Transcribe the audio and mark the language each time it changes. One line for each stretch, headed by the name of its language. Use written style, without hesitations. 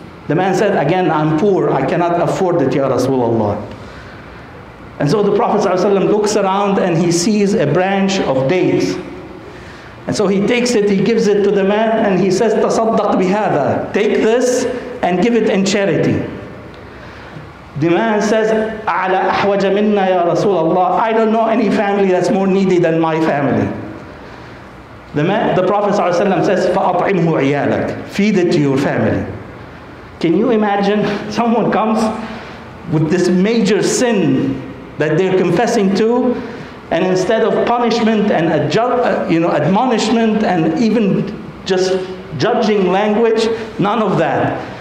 English: The man said, again, I'm poor. I cannot afford it, Ya Rasulullah. And so the Prophet ﷺ looks around and he sees a branch of dates. And so he takes it, he gives it to the man, and he says,
Arabic: تصدق بهذا.
English: Take this and give it in charity. The man says,
Arabic: أعلى أحوج منا يا رسول الله.
English: I don't know any family that's more needy than my family. The Prophet ﷺ says,
Arabic: فأطعمه عيالك.
English: Feed it to your family. Can you imagine someone comes with this major sin that they're confessing to, and instead of punishment and admonishment and even just judging language, none of that.